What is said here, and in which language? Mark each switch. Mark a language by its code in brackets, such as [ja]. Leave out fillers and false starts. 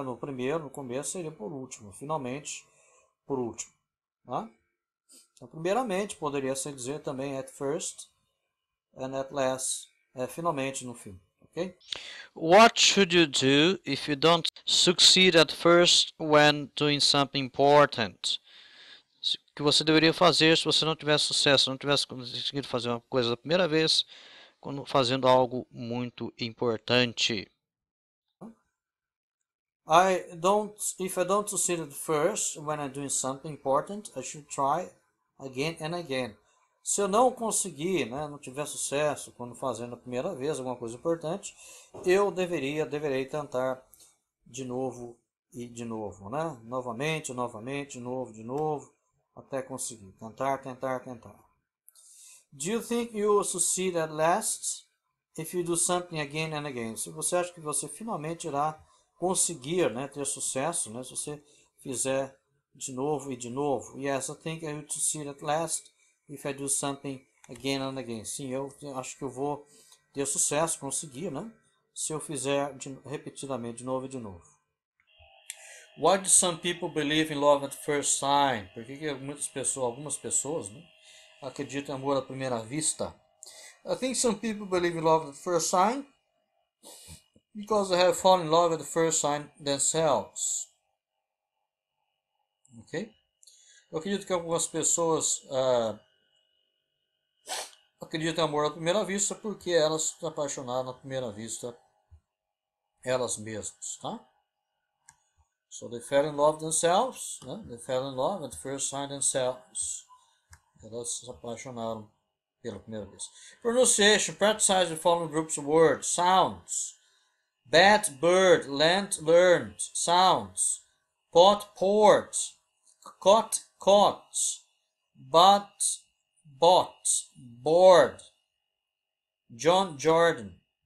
[pt] No primeiro, no começo, seria por último. Finalmente, por último. Tá? Então, primeiramente, poderia se dizer também [en] at first and at last. [pt] É finalmente, no fim. Ok? [en] What should you do if you don't succeed at first when doing something important? [pt] O que você deveria fazer se você não tivesse sucesso, não tivesse conseguido fazer uma coisa da primeira vez, quando fazendo algo muito importante? [en] If I don't succeed at first when I'm doing something important, I should try again and again. [pt] Se eu não conseguir, né, não tiver sucesso quando fazendo a primeira vez alguma coisa importante, eu deverei tentar de novo e de novo, né? Novamente, novamente, de novo, até conseguir. Tentar, tentar, tentar. [en] Do you think you will succeed at last if you do something again and again? [pt] Se você acha que você finalmente irá conseguir, né, ter sucesso, né, se você fizer de novo e de novo. [en] Yes, I think I will succeed at last if I do something again and again. [pt] Sim, eu acho que eu vou ter sucesso, conseguir, né, se eu fizer repetidamente, de novo e de novo. [en] Why do some people believe in love at first sight? [pt] Por que muitas pessoas, algumas pessoas, né, acreditam em amor à primeira vista? [en] I think some people believe in love at first sight because they have fallen in love at the first sign themselves. Ok? [pt] Eu acredito que algumas pessoas acreditam em amor à primeira vista porque elas se apaixonaram à primeira vista elas mesmas, tá? [en] So they fell in love themselves, né? They fell in love at the first sign themselves. [pt] Elas se apaixonaram pela primeira vista. [en] Pronunciation, practice the following groups of words, sounds. Bat, bird, lent, learned, sounds, pot, port, cot, caught, but, bought, board, John, Jordan.